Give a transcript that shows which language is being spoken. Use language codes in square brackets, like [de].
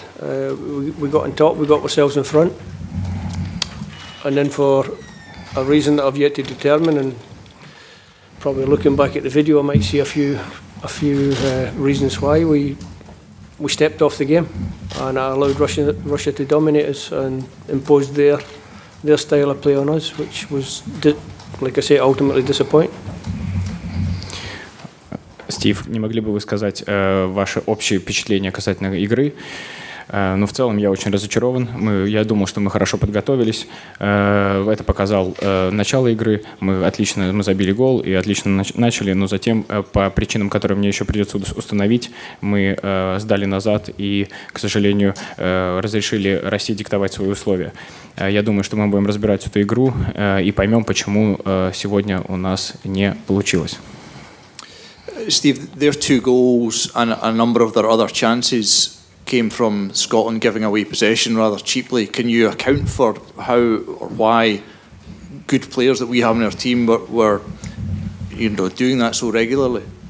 [en] We got on top, we got ourselves in front. And then for a reason that I've yet to determine, and probably looking back at the video, I might see a few reasons why, we stepped off the game and allowed Russia to dominate us and impose their style of play on us, which was, like I say, ultimately disappointing. [ru] Стив, не могли бы вы сказать ваши общие впечатления касательно игры? Но в целом я очень разочарован. Я думал, что мы хорошо подготовились. Это показал начало игры. Мы забили гол и отлично начали, но затем, по причинам, которые мне еще придется установить, мы сдали назад и, к сожалению, разрешили России диктовать свои условия. Я думаю, что мы будем разбирать эту игру и поймем, почему сегодня у нас не получилось. [en] Steve, their two goals and a number of their other chances came from Scotland giving away possession rather cheaply. Can you account for how or why good players that we have in our team were you know, doing that so regularly?